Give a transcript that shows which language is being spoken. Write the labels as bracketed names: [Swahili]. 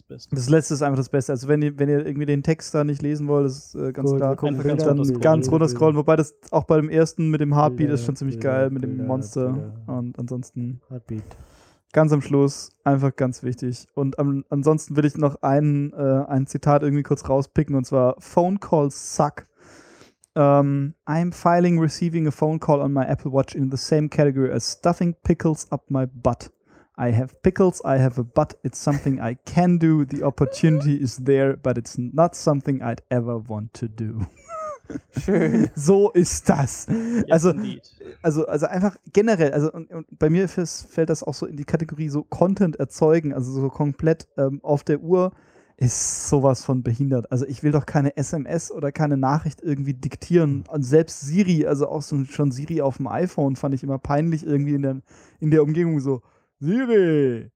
[German] Das letzte ist einfach das Beste. Also wenn ihr irgendwie den Text da nicht lesen wollt, ist ganz klar, ganz runter scrollen. Wobei das auch bei dem ersten mit dem Heartbeat Bilder, ist schon ziemlich Bilder, geil, mit Bilder, dem Monster Bilder. Und ansonsten Heartbeat. Ganz am Schluss, einfach ganz wichtig. Und ansonsten will ich noch ein Zitat irgendwie kurz rauspicken, und zwar: [English] Phone calls suck. I'm filing receiving a phone call on my Apple Watch in the same category as stuffing pickles up my butt. I have pickles, I have a butt, it's something I can do, the opportunity is there, but it's not something I'd ever want to do. [German] Schön. So ist das. [English] Yes, [German] also einfach generell, also und bei mir fällt das auch so in die Kategorie so Content erzeugen, also so komplett auf der Uhr ist sowas von behindert. Also ich will doch keine SMS oder keine Nachricht irgendwie diktieren. Und selbst Siri, also auch so schon Siri auf dem iPhone, fand ich immer peinlich irgendwie in der Umgebung so, Siri!